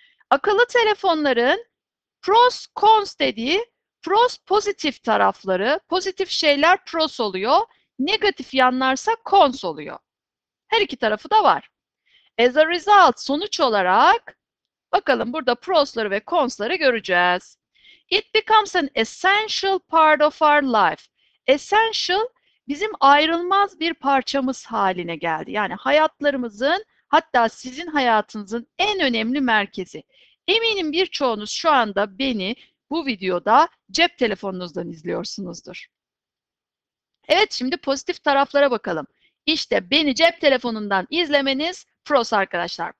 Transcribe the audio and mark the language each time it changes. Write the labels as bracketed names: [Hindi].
[Turkish] Akıllı telefonların pros cons dediği, pros pozitif tarafları, pozitif şeyler pros oluyor, negatif yanlarsa cons oluyor. Her iki tarafı da var. [English] As a result, [Turkish] sonuç olarak bakalım burada prosları ve consları göreceğiz. [English] It becomes an essential part of our life. [Turkish] Essential, bizim ayrılmaz bir parçamız haline geldi. Yani hayatlarımızın, hatta sizin hayatınızın en önemli merkezi. Eminim birçoğunuz şu anda beni bu videoda cep telefonunuzdan izliyorsunuzdur. Evet, şimdi pozitif taraflara bakalım. İşte beni cep telefonundan izlemeniz pros arkadaşlar.